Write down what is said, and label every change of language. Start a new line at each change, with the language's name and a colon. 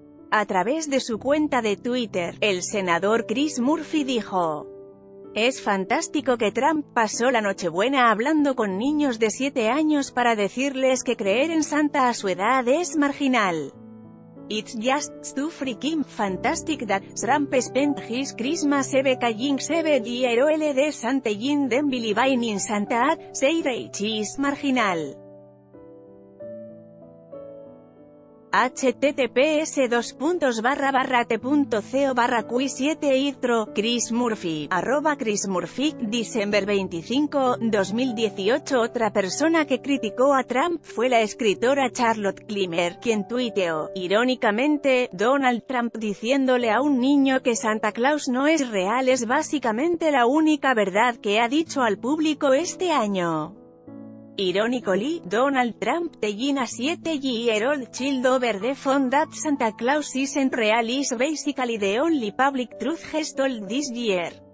Spanish: A través de su cuenta de Twitter, el senador Chris Murphy dijo: «Es fantástico que Trump pasó la Nochebuena hablando con niños de 7 años para decirles que creer en Santa a su edad es marginal.
English: It's just too freaking fantastic that Trump spent his Christmas Eve calling 7-year-old Santa Jean then believing in Santa at their age is marginal». https://t.co/q7itro, Chris Murphy, @ChrisMurphy, December 25, 2018.
Spanish: Otra persona que criticó a Trump fue la escritora Charlotte Clymer, quien tuiteó, irónicamente, Donald Trump diciéndole a un niño que Santa Claus no es real es básicamente la única verdad que ha dicho al público este año. Irónicamente,
English: Donald Trump telling a 7-year-old child over the phone that Santa Claus isn't real is basically the only public truth he told this year.